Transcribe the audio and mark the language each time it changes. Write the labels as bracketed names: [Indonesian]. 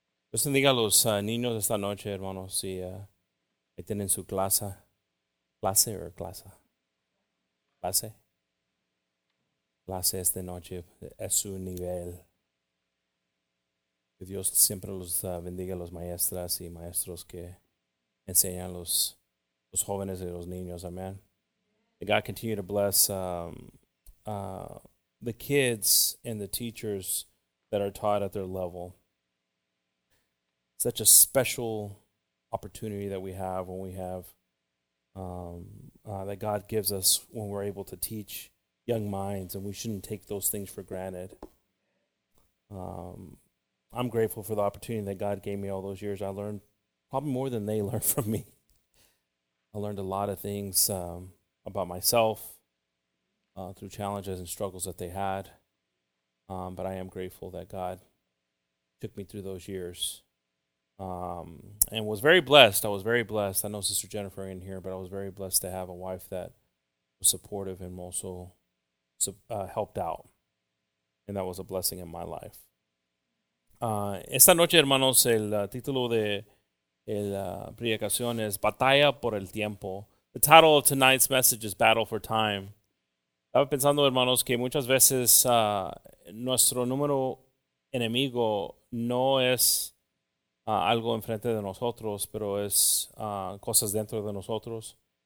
[Spanish] Pues bendiga a los niños esta noche, hermanos, si tienen su clase. Clase or clase? Clase. Clase esta noche es su nivel. Que Dios siempre los bendiga a los maestras y maestros que enseñan los jóvenes y los niños. Amen. [English] May God continue to bless the kids and the teachers that are taught at their level. Such a special opportunity that we have when we have, that God gives us when we're able to teach young minds, and we shouldn't take those things for granted. I'm grateful for the opportunity that God gave me all those years. I learned probably more than they learned from me. I learned a lot of things about myself through challenges and struggles that they had. But I am grateful that God took me through those years and was very blessed. I was very blessed. I know Sister Jennifer in here, but I was very blessed to have a wife that was supportive and also helped out. And that was a blessing in my life. [Spanish] Esta noche, hermanos, el título de la predicación es Batalla por el Tiempo. [English] The title of tonight's message is Battle for Time. [Spanish] Estaba pensando, hermanos, que muchas veces nuestro número enemigo no es algo enfrente de nosotros, pero es cosas dentro de nosotros.